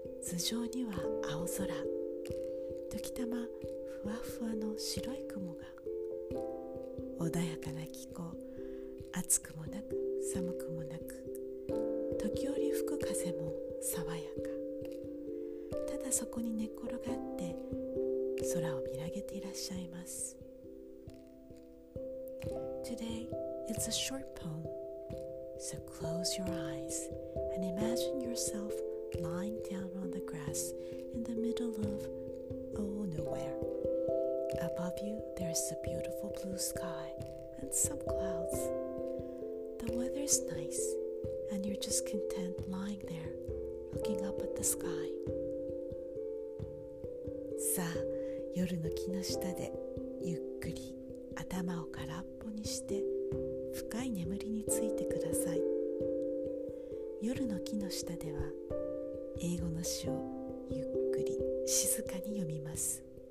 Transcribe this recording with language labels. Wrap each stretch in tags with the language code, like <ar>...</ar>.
<ja>頭上には青空、時たまふわふわの白い雲が、穏やかな気候、暑くもなく寒くもなく、時折吹く風も爽やか、ただそこに寝っ転がって空を見上げていらっしゃいます。</ja> <en>Today it's a short poem, so close your eyes and imagine yourself lying down on the grass in the middle ofNowhere. Above you, there is a beautiful blue sky and some clouds. The weather is nice, and you're just content lying there, looking up at the sky.</en> <ja>さあ、夜の木の下でゆっくり頭を空っぽにして深い眠りについてください。夜の木の下では英語の詩をゆっくり静かに読みます。</ja>